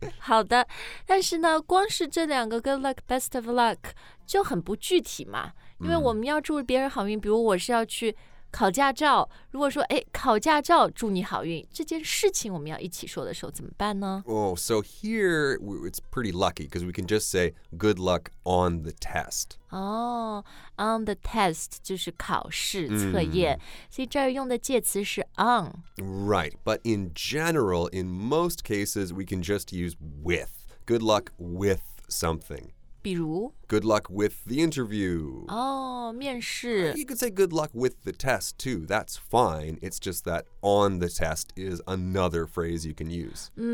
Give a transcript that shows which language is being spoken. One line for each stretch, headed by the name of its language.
Chinese: 好的但是呢光是这两个 good luck, best of luck 就很不具体嘛因为我们要祝别人好运比如我是要去考驾照如果说哎，考驾照祝你好运这件事情我们要一起说的时候怎么办呢
English: Oh, so here it's pretty lucky because we can just say good luck on the test
Chinese: Oh, on the test 就是考试测验、mm. 所以这儿用的介词是 on
English: Right, but in general, in most cases we can just use with good luck with something
Chinese: 比如
English: Good luck with the interview.
Chinese: Oh, 面试
English: You could say good luck with the test too. That's fine. It's just that on the test is another phrase you can use.